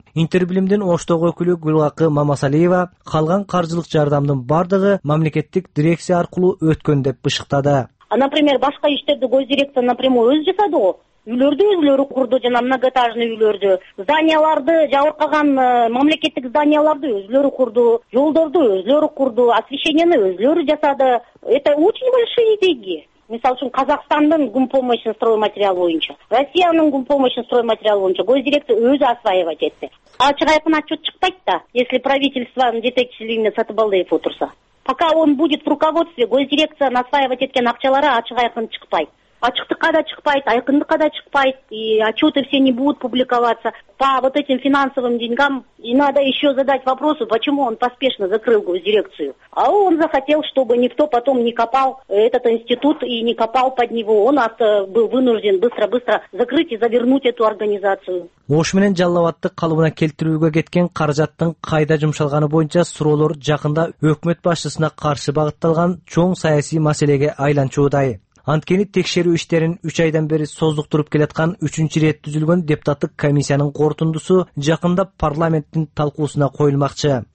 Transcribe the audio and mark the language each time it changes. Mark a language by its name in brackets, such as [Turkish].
[Kyrgyz] Интербилимдин Оштогу өкүлү Гүлгакы Мамасалиева калган каржылык жардамдын бардыгы мамлекеттик дирекция аркылуу өткөн деп бышыктады. [Russian] А например, [Kyrgyz] башка иштерди госдирекция напрямую өзү жасады го. Үйлөрдү өзүлөрү курду жана многоэтажный үйлөрдү, зданияларды жабыр калган мамлекеттик зданияларды өзүлөрү курду, жолдорду өзүлөрү курду, освещенияны өзүлөрү жасады. [Russian] Это очень большие деньги. [Kyrgyz] Мисалы үчүн Казакстандын гумпомощный строй материал боюнча, Россиянын гумпомощный строй материал боюнча госдирекция өзү осваивать этти. Ачык айкын отчет чыкпайт да, [Russian] если [Kyrgyz] правительствонун жетекчилигинде Сатыбалдаев отурса. [Russian] Пока он будет в руководстве, [Kyrgyz] госдирекцияны осваивать эткен акчалары ачык айкын чыкпайт. Ачыктыкка да чыкпайт, айкындыкка да чыкпайт, [Russian] и отчеты все не будут публиковаться. По вот этим финансовым деньгам и надо еще задать вопросы, почему он поспешно закрыл госдирекцию. А он захотел, чтобы никто потом не копал этот институт и не копал под него. Он был вынужден быстро-быстро закрыть и завернуть эту организацию. [Kyrgyz] Ош менен Жалал-Абадты калыбына келтирүүгө кеткен каражаттын кайда жумшалганы боюнча суроолор жакында өкмөт башчысына каршы багытталган чоң саясий маселеге айланчуудай. Анткени текшерүү иштерин 3 айдан бери создуктуруп келаткан 3-рет түзүлгөн депутаттык комиссиянын корутундусу жакында парламенттин талкуусуна коюлмакчы.